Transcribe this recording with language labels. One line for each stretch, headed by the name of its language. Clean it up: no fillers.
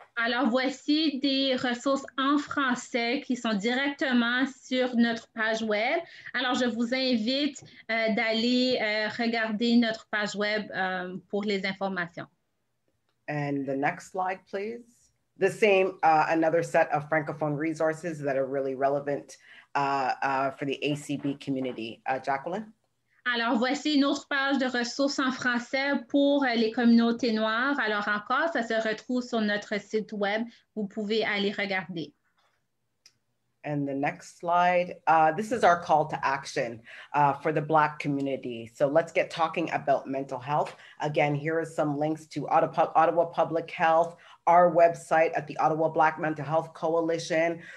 French: Alors, voici des ressources en français qui sont directement sur notre page web. Alors, je vous invite d'aller regarder notre page web pour les informations.
English: And the next slide, please. The same, another set of Francophone resources that are really relevant for the ACB community. Jacqueline?
French: Alors, voici une autre page de ressources en français pour les communautés noires. Alors encore, ça se retrouve sur notre site web. Vous pouvez aller regarder.
English: And the next slide, this is our call to action for the Black community. So let's get talking about mental health. Again, here are some links to Ottawa Public Health, our website at the Ottawa Black Mental Health Coalition.